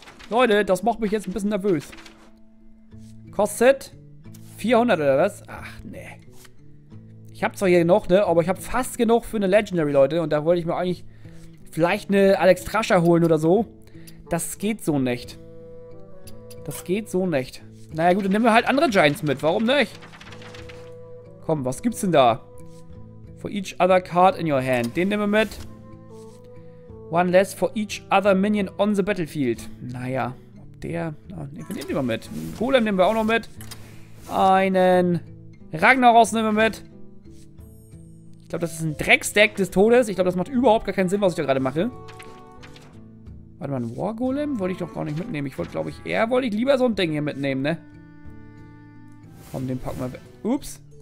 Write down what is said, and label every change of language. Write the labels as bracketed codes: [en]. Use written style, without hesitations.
[de] Leute, das macht mich jetzt ein bisschen nervös. Kostet 400 oder was? Ach, nee. Ich habe zwar hier noch, ne, aber ich habe fast genug für eine Legendary, Leute. Und da wollte ich mir eigentlich vielleicht eine Alex Thrasher holen oder so. Das geht so nicht. Das geht so nicht. Naja gut, dann nehmen wir halt andere Giants mit. Warum nicht? Komm, was gibt's denn da? [en] For each other card in your hand. [de] Den nehmen wir mit. [en] One less for each other minion on the battlefield. [de] Naja, ob der... Oh, nee, wir nehmen den mal mit. Golem nehmen wir auch noch mit. Einen Ragnaros nehmen wir mit. Ich glaube, das ist ein Drecksdeck des Todes. Ich glaube, das macht überhaupt gar keinen Sinn, was ich da gerade mache. Warte mal, ein Wargolem wollte ich doch gar nicht mitnehmen. Ich wollte, glaube ich, eher wollte ich lieber so ein Ding hier mitnehmen, ne? Komm, den packen wir weg. Ups.